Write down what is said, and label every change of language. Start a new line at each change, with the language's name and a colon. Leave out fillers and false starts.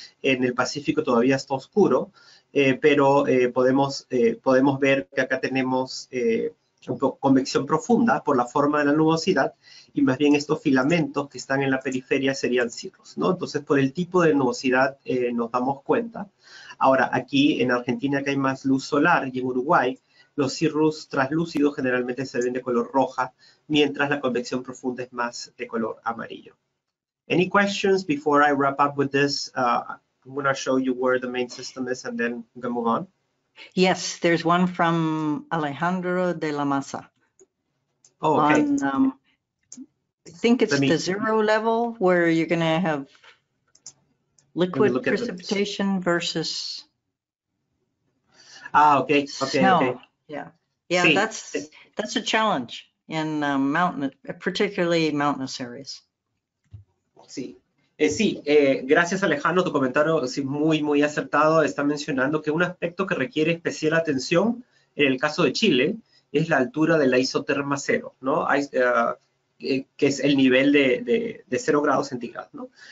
Spanish: En el Pacífico todavía está oscuro, pero podemos ver que acá tenemos convección profunda por la forma de la nubosidad, y más bien estos filamentos que están en la periferia serían cirros, ¿no? Entonces, por el tipo de nubosidad nos damos cuenta. Ahora, aquí en Argentina que hay más luz solar y en Uruguay, los cirrus translúcidos generalmente se ven de color roja, mientras la convección profunda es más de color amarillo.
English: Any questions before I wrap up with this? I'm going to show you where the main system is and then we're going to move on. Yes, there's one from Alejandro de la Maza. Oh, okay. I think it's the zero level where you're going to have liquid precipitation versus snow. Okay. Yeah, that's a challenge in mountain, particularly mountainous areas.
Spanish: Gracias Alejandro, tu comentario es muy muy acertado. Está mencionando que un aspecto que requiere especial atención en el caso de Chile es la altura de la isoterma cero, ¿no? Que es el nivel de 0 grados centígrados, ¿no?